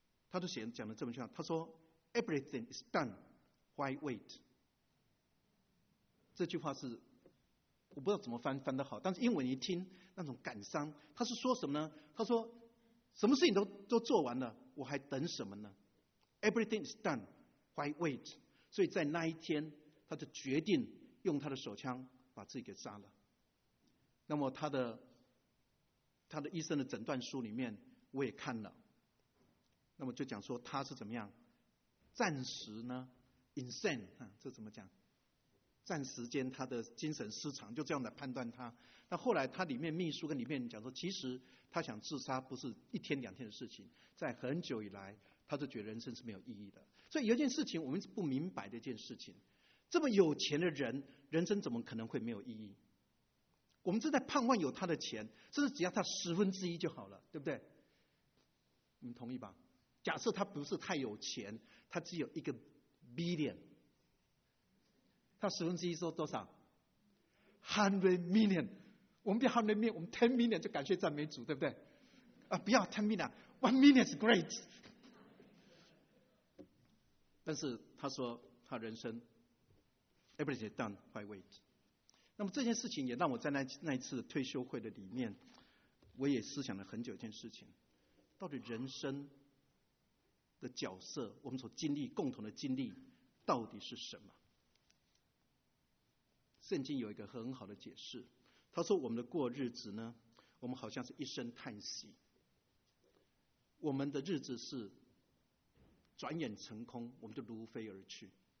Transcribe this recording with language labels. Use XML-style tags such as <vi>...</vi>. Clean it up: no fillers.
<zh>他就写讲了这么一句话，他说</zh> <en>Everything is done, why wait?</en> <zh>这句话是我不知道怎么翻得好，但是英文一听那种感伤，他是说什么呢？他说什么事情都做完了，我还等什么呢？</zh> <en>Everything is done, why wait?</en> <zh>所以在那一天他就决定用他的手枪把自己给杀了。那么他的医生的诊断书里面我也看了，那么就讲说他是怎么样暂时呢 insane、啊、这怎么讲，暂时间他的精神失常，就这样来判断他。那后来他里面秘书跟里面讲说，其实他想自杀不是一天两天的事情，在很久以来他就觉得人生是没有意义的。所以有一件事情我们不明白的一件事情，这么有钱的人，人生怎么可能会没有意义？我们正在盼望有他的钱，甚至只要他十分之一就好了，对不对？你们同意吧？假设他不是太有钱，他只有一个 billion，他十分之一说多少 100 million， 我们不要 100 million， 我们 10 million 就感谢赞美主，对不对、啊、不要 10 million，</zh> <en>1 million is great。</en> <zh>但是他说他人生</zh> <en>everything is done, why wait。</en> <zh>那么这件事情也让我在 那一次退休会的里面，我也思想了很久一件事情，到底人生的角色，我们所经历共同的经历到底是什么。圣经有一个很好的解释，他说我们的过日子呢，我们好像是一声叹息，我们的日子是转眼成空，我们就如飞而去。</zh>